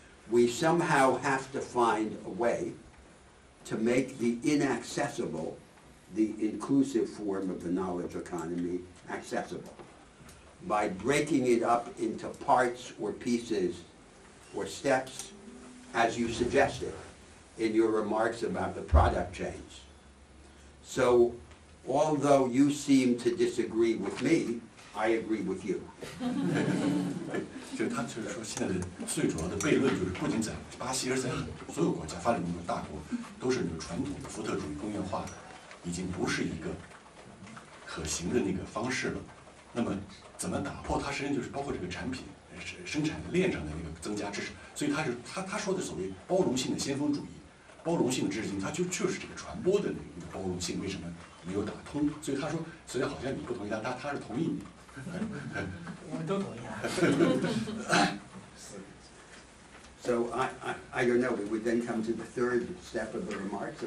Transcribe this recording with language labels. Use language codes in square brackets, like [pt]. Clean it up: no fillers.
[en] We somehow have to find a way to make the inaccessible, the inclusive form of the knowledge economy, accessible by breaking it up into parts or pieces or steps, as you suggested in your remarks about the product chains. So although you seem to disagree with me, I agree with you. [zh] 就他就是说，现在的最主要的悖论就是，不仅在巴西，而在所有国家发展中的大国，都是那个传统的福特主义工业化的，已经不是一个可行的那个方式了。那么，怎么打破它，实际上就是包括这个产品生产链上的那个增加知识。所以他是他说的所谓包容性的先锋主义，包容性的知识性，它就是这个传播的那个包容性，为什么没有打通？所以他说，所以好像你不同意他是同意你。我们都同意啊。 [en] So I don't know. We would then come to the third step of the remarks.